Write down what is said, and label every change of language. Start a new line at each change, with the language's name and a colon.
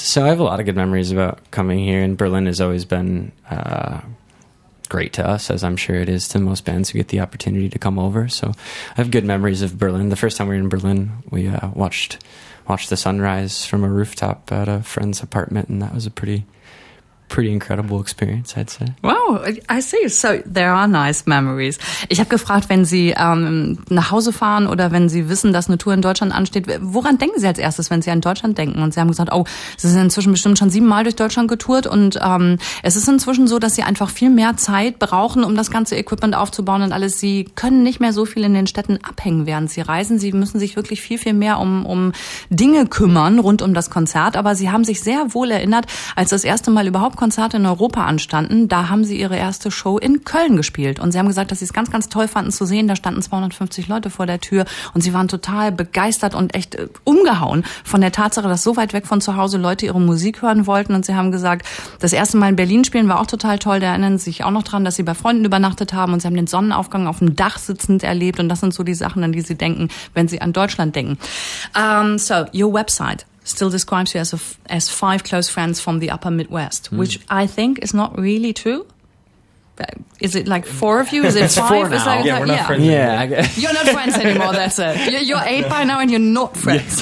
English: So I have a lot of good memories about coming here, and Berlin has always been great to us, as I'm sure it is to most bands who get the opportunity to come over. So I have good memories of Berlin. The first time we were in Berlin, we watched the sunrise from a rooftop at a friend's apartment, and that was a pretty incredible experience, I'd say. Wow, I see. So there are nice memories.
German: Ich habe gefragt, wenn Sie nach Hause fahren oder wenn Sie wissen, dass eine Tour in Deutschland ansteht, woran denken Sie als erstes, wenn Sie an Deutschland denken? Und Sie haben gesagt, oh, Sie sind inzwischen bestimmt schon 7 Mal durch Deutschland getourt, und es ist inzwischen so, dass Sie einfach viel mehr Zeit brauchen, um das ganze Equipment aufzubauen und alles. Sie können nicht mehr so viel in den Städten abhängen, während Sie reisen. Sie müssen sich wirklich viel, viel mehr um Dinge kümmern rund um das Konzert. Aber Sie haben sich sehr wohl erinnert, als das erste Mal überhaupt Konzerte in Europa anstanden, da haben sie ihre erste Show in Köln gespielt. Und sie haben gesagt, dass sie es ganz, ganz toll fanden zu sehen. Da standen 250 Leute vor der Tür und sie waren total begeistert und echt umgehauen von der Tatsache, dass so weit weg von zu Hause Leute ihre Musik hören wollten. Und sie haben gesagt, das erste Mal in Berlin spielen war auch total toll. Da erinnern sie sich auch noch dran, dass sie bei Freunden übernachtet haben und sie haben den Sonnenaufgang auf dem Dach sitzend erlebt. Und das sind so die Sachen, an die sie denken, wenn sie an Deutschland denken.
English: So, your website still describes you as 5 close friends from the upper Midwest, which I think is not really true. Is it like 4 of you? Is it 5? It's 4 now. Is that, yeah, we're not friends anymore. Yeah, I guess. You're not friends anymore, that's it. You're 8 by now and you're not friends.